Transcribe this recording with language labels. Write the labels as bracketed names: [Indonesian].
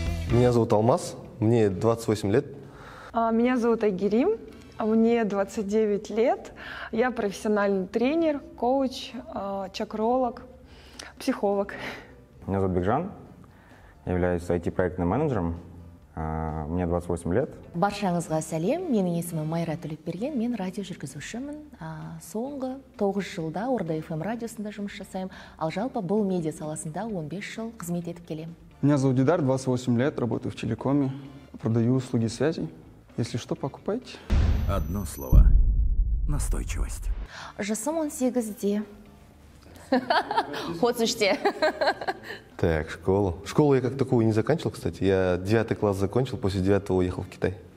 [Russian] Меня зовут Алмаз, мне 28 лет. Меня зовут Айгерим, мне 29 лет. Я профессиональный тренер, коуч, чакролог, психолог. Меня зовут Бекжан, я являюсь IT-проектным менеджером. Мне 28 лет. [Kazakh] Баршаңызға сәлем. Менің есімім Майра Төлепберген. Мен радио жүргізушімін. Соңғы 9 жылда Орда FM радиосында жұмыс жасаймын. Ал жалпы бұл медиа саласында 15 жыл қызмет етіп келемін. [Russian] Меня зовут Дидар, 28 лет, работаю в телекоме, продаю услуги связи. Если что, покупайте. Одно слово. Настойчивость. [Kazakh] Жасым 18-де. [Russian] Хочешь-те. Так, школу. Школу я как такую не заканчивал, кстати. Я 9 класс закончил, после 9 уехал в Китай.